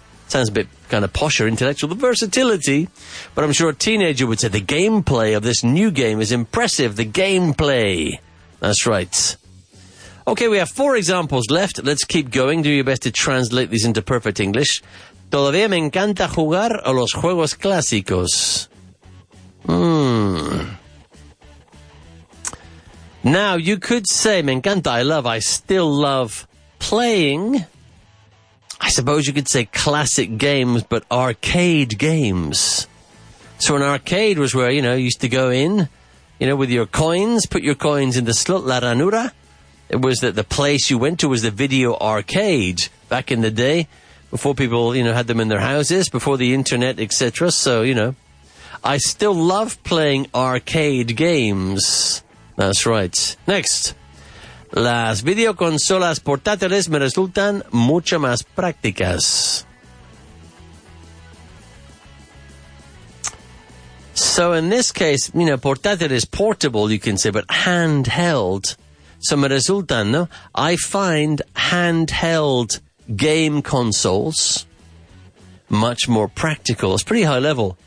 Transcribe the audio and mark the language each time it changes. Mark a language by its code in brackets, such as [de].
[en] Sounds a bit kind of posh or intellectual, the versatility. But I'm sure a teenager would say the gameplay of this new game is impressive. The gameplay. That's right. Okay, we have four examples left. Let's keep going. Do your best to translate these into perfect English. [es] Todavía me encanta jugar a los juegos clásicos. [en] Now, you could say, [es] me encanta, [en] I still love playing. I suppose you could say classic games, but arcade games. So an arcade was where, you know, you used to go in you know, with your coins, put your coins in the slot, [es] La Ranura. [en] It was that the place you went to was the video arcade back in the day, before people, you know, had them in their houses, before the internet, etc. So, you know, I still love playing arcade games. That's right. Next. [es] Las videoconsolas portátiles me resultan mucho más prácticas. [en] So in this case, you know, portátil is portable, you can say, but handheld. So [es] me resultan, no? [en] I find handheld game consoles much more practical. It's pretty high level.